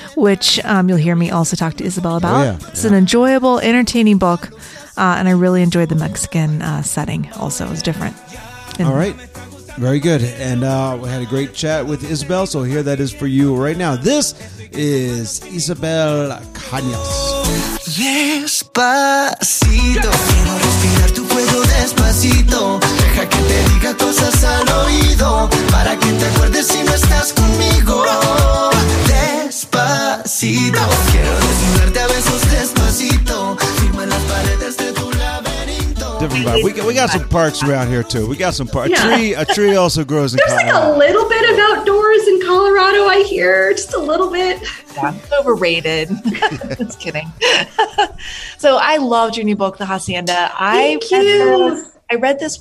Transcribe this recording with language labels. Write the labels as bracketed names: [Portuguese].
[English] Which you'll hear me also talk to Isabel about. Oh, yeah. It's an enjoyable, entertaining book, and I really enjoyed the Mexican setting also. It was different. All right. Very good. And we had a great chat with Isabel, so here that is for you right now. This is Isabel Cañas. [Spanish] Despacito, quiero respirar tu cuello despacito. Deja que te diga cosas al oído, para que te acuerdes si no estás conmigo. Despacito, quiero desnudarte a besos despacito. Firma las paredes de tu laberinto. [English] Different vibe. We got some parks around here too. We got some parks. Yeah. A tree also grows in Colorado. There's like a little bit of outdoors in Colorado, I hear. Just a little bit. Yeah, overrated. Just kidding. So I loved your new book, The Hacienda. I read this